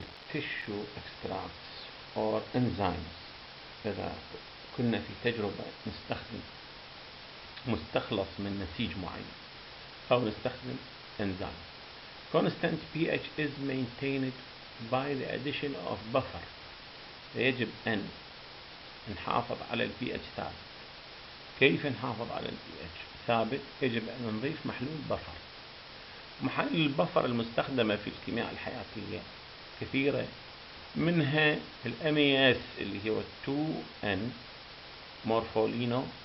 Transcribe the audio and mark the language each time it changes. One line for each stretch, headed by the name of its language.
English: tissue extracts or enzymes.
Arabic: إذا كنا في تجربة نستخدم مستخلص من نسيج معين أو نستخدم enzyme.
English: Constant pH is maintained by the addition of buffer.
Arabic: يجب أن نحافظ على الـ pH ثابت. كيف نحافظ على الـ pH ثابت؟ يجب أن نضيف محلول بفر. محلول البفر المستخدمة في الكيمياء الحيوية كثيرة، منها الـ MAS اللي هو 2N مورفولينو